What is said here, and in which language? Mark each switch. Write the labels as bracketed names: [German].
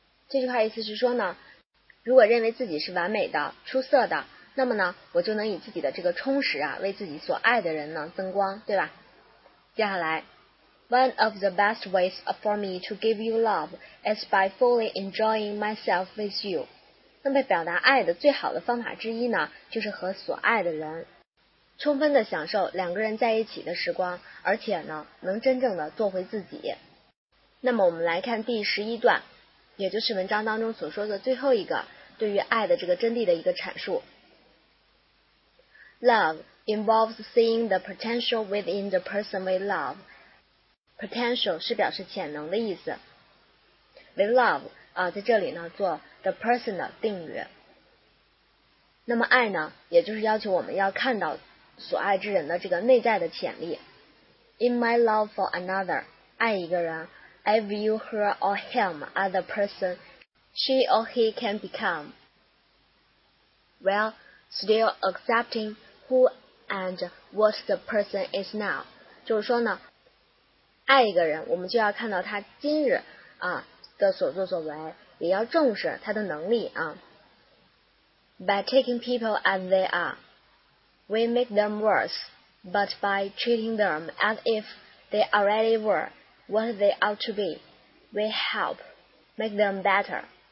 [Chinese] 这句话意思是说呢，如果认为自己是完美的、出色的，那么呢，我就能以自己的这个充实啊，为自己所爱的人呢增光，对吧？接下来 [English] ，One of the best ways for me to give you love is by fully enjoying myself with you。 [Chinese] 那么表达爱的最好的方法之一呢，就是和所爱的人充分的享受两个人在一起的时光，而且呢，能真正的做回自己。那么我们来看第十一段。也就是文章当中所说的最后一个对于爱的这个真谛的一个阐述。 [English] Love involves seeing the potential within the person we love. [Chinese] Potential 是表示潜能的意思， [English] we love [Chinese] 啊，在这里呢做 [English] the person [Chinese] 的定语。那么爱呢，也就是要求我们要看到所爱之人的这个内在的潜力。 [English] In my love for another, [Chinese] 爱一个人， [English] I view her or him as the person she or he can become, while still accepting who and what the person is now. [Chinese] 就是说呢，爱一个人，我们就要看到他今日啊的所作所为，也要重视他的能力啊。 [English] By taking people as they are, we make them worse, but by treating them as if they already were. What they ought to be, we help make them better.